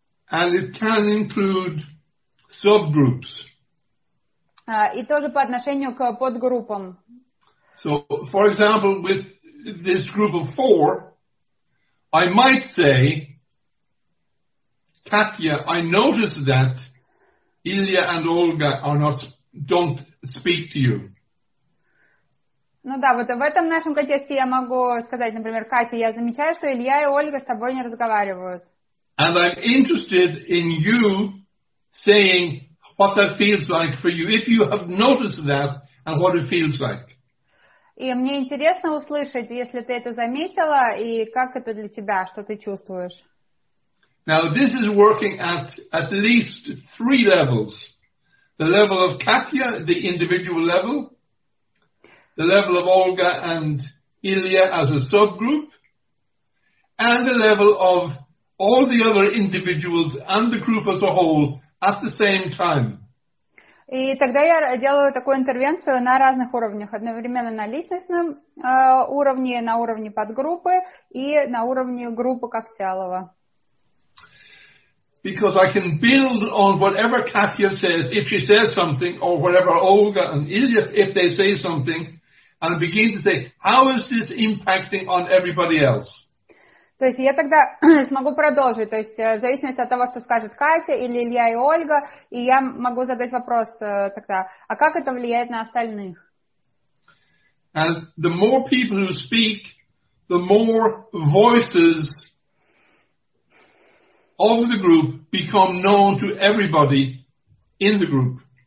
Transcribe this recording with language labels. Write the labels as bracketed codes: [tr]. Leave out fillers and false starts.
[en] And it can include subgroups. [ru] И тоже по отношению к подгруппам. [en] So, for example, with this group of four, I might say, Katya, I noticed that Ilya and Olga are not don't speak to you. [ru] Ну да, вот в этом нашем контексте я могу сказать, например, Катя, я замечаю, что Илья и Ольга с тобой не разговаривают. [en] And I'm interested in you saying what that feels like for you, if you have noticed that and what it feels like. [ru] И мне интересно услышать, если ты это заметила, и как это для тебя, что ты чувствуешь. [en] Now, this is working at least three levels. The level of Katya, the individual level. The level of Olga and Ilya as a subgroup. And the level of all the other individuals and the group as a whole at the same time. [ru] И тогда я делаю такую интервенцию на разных уровнях. Одновременно на личностном уровне, на уровне подгруппы и на уровне группы как целого. [en] Because I can build on whatever Katya says, if she says something, or whatever Olga and Ilya, if they say something, and begin to say, how is this impacting on everybody else? [ru] То есть я тогда смогу продолжить, то есть в зависимости от того, что скажет Катя или Илья и Ольга, и я могу задать вопрос тогда, а как это влияет на остальных? [en] And the more people who speak, the more voices of the group become known to everybody in the group.